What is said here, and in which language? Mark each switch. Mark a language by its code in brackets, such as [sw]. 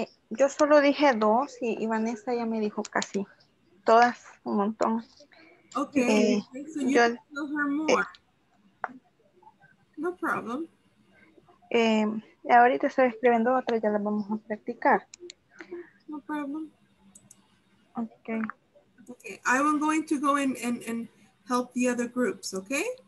[es] Yo solo dije dos y Vanessa ya me dijo casi todas, un montón. [en] Ok, so you can tell her more. No problem. [es] Ahorita estoy escribiendo otra, ya la vamos a practicar. [en] No problem. Okay. Okay, I'm going to go in and help the other groups, okay?